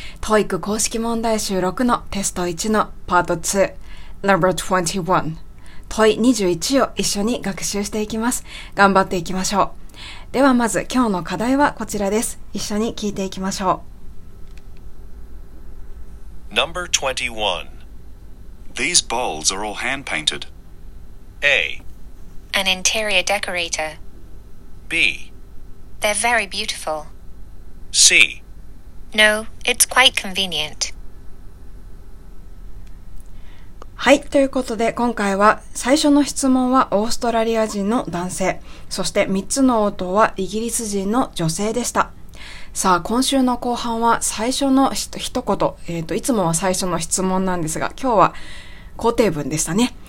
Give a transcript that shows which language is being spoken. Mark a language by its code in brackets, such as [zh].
[ja] TOEIC 公式問題集6のテスト1のパート2 Number 21、 TOEIC21 を一緒に学習していきます。頑張っていきましょう。ではまず今日の課題はこちらです。一緒に聞いていきましょう。 [en] Number 21. These balls are all hand painted. A. An interior decorator. B. They're very beautiful. C. No, it's quite convenient. [ja] はい、ということで今回は最初の質問はオーストラリア人の男性、そして3つの応答はイギリス人の女性でした。さあ今週の後半は最初の一言、いつもは最初の質問なんですが、今日は肯定文でしたね。